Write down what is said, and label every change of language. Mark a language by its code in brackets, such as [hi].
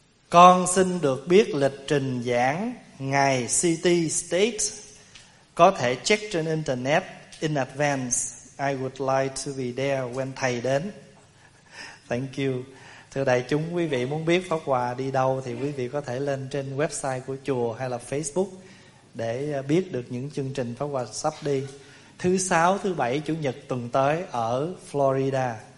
[vi] Con xin được biết lịch trình giảng ngày CT States có thể check trên internet [en] in advance. I would like to be there when [vi] thầy đến. [en] Thank you. [vi] Thưa đại chúng, quý vị muốn biết Pháp Hòa đi đâu thì quý vị có thể lên trên website của chùa hay là Facebook để biết được những chương trình Pháp Hòa sắp đi. Thứ sáu, thứ bảy, chủ nhật tuần tới ở Florida.